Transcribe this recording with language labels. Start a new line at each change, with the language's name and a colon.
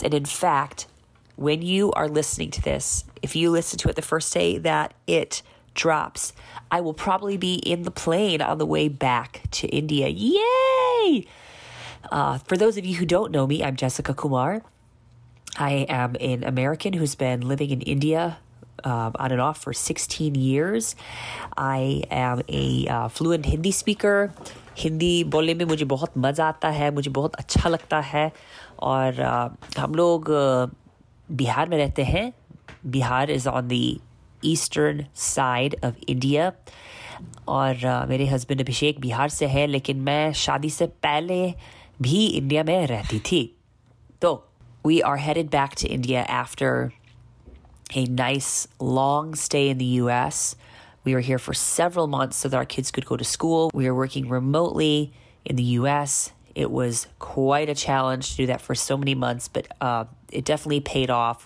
English: And in fact, when you are listening to this, if you listen to it the first day that it drops, I will probably be in the plane on the way back to India. Yay! For those of you who don't know me, I'm Jessica Kumar. I am an American who's been living in India on and off for 16 years. I am a fluent Hindi speaker.
Hindi: Hindi बोलने में मुझे बहुत मज़ा आता है, मुझे बहुत अच्छा लगता है. और हम लोग बिहार में रहते हैं.
English: Bihar is on the eastern side of India.
Hindi: और मेरे husband अभिषेक बिहार से है, लेकिन मैं शादी से पहले भी India में रहती थी.
English: So we are headed back to India after a nice long stay in the U.S. We were here for several months so that our kids could go to school. We were working remotely in the U.S. It was quite a challenge to do that for so many months, but it definitely paid off.